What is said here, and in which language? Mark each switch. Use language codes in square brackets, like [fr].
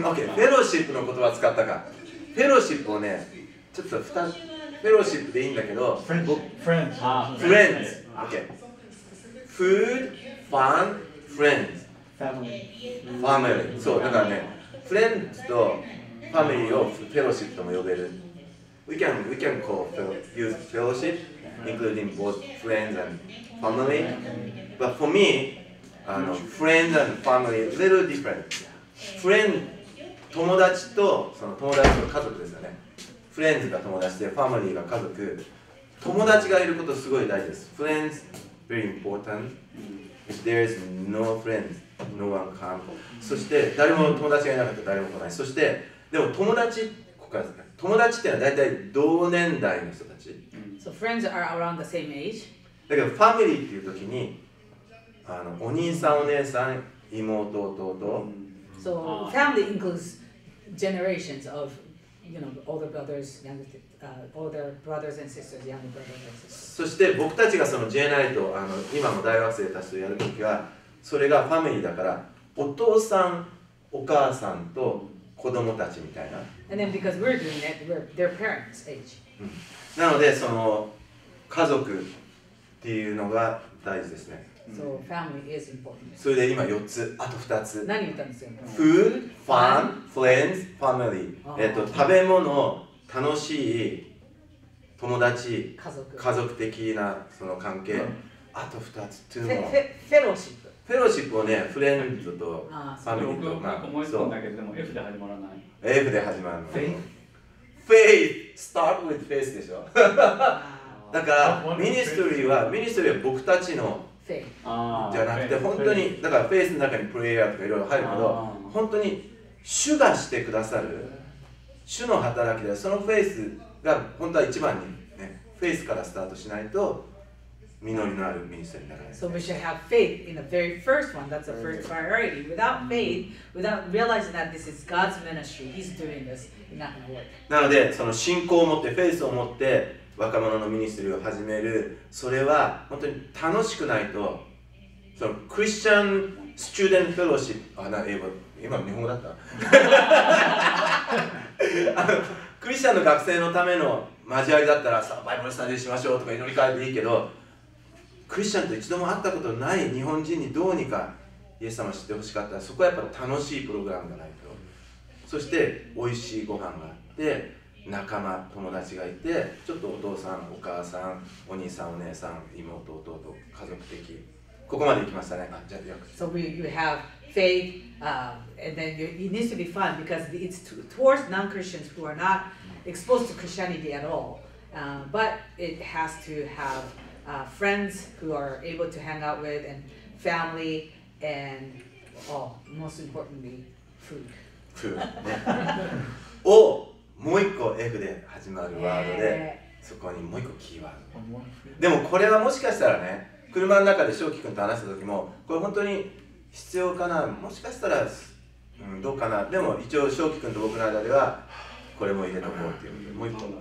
[ja] うん、オッケー。フェロシップの言葉使ったか。フェロシップをね、ちょっと2つ。フェローシップでいいんだけど、フレンズ、オッケー、フード、ファン、フレンズ、ファミリー、そうだからね、フレンズとファミリーをフェローシップとも呼べる。 [en] We can call use fellowship including both friends and family, but for me, friends and family little different. [ja] Friend 友達とその友達の家族ですよね。フレンズが友達で、ファミリーが家族、友達がいることすごい大事です。 [en] フレンズ、very important. If there is no friends, no one come. [ja] そして、誰も友達がいなかったら誰も来ない。そして、でも友達、ここからですね。友達ってのは大体同年代の人たち。 [en] So friends are around the same age. [ja] だけど、ファミリーっていうときに、あの、お兄さん、お姉さん、妹、弟。 [en] So, family includes generations of, you know, older brothers, younger, older brothers and sisters, younger brothers and sisters. [ja] そして僕たちがその J ナイト、あの、今の大学生たちとやるときは、それがファミリーだから、お父さん、お母さんと子供たちみたいな。 [en] And then because we're doing it, we're their parents' age. [ja] なので、その家族っていうのが大事ですね。 [en] So family is important. [ja] それで今4つ、あと2つ。何言ったんです [en] よ。Food, fun, friends, family. [ja] 食べ物、楽しい、友達、家族的なその関係。あと2つ、2つ。 [en] Fellowship。 [ja] Fellowship をね、フレンドとファミリーとか。僕思い込んだけど、でも F で始まらない。 F で始まるの。 [en] Faith。 Start with faith でしょ。 [ja] だから、ミニストリーは僕たちの。じゃなくて本当にだからフェイスの中にプレイヤーとかいろいろ入るけど本当に主がしてくださる主の働きでそのフェイスが本当は一番に、ね、フェイスからスタートしないと実りのあるミニストリーにならない。 [en] So we should have faith in the very first one. That's the first priority. Without faith, without realizing that this is God's ministry, He's doing this, it's not gonna work. [ja] なのでその信仰を持ってフェイスを持って若者のミニストリーを始める、それは本当に楽しくないと、そのクリスチャン・スチューデント・フェローシップ、あ、な、英語、今日本語だったクリスチャンの学生のための交わりだったら、さあ、バイブルスタディしましょうとか祈り会でいいけど、クリスチャンと一度も会ったことない日本人にどうにかイエス様を知ってほしかったら、そこはやっぱ楽しいプログラムがないと。そして、美味しいご飯があって、仲間、友達がいて、ちょっとお父さん、お母さん、お兄さん、お姉さん、妹、弟、家族的。ここまで行きましたね。じゃあ、よく。 [en] So we, you have faith, and then you, it needs to be fun because it's towards non-Christians who are not exposed to Christianity at all. But it has to have friends who are able to hang out with, and family, and oh, most importantly, food. Food. Oh! [ja] もう一個 F で始まるワードで、そこにもう一個キーワード。でもこれはもしかしたらね、車の中で翔輝くんと話した時も、これ本当に必要かな、もしかしたら、うん、どうかな。でも一応翔輝くんと僕の間では、これも入れとこうっていう。もう一個。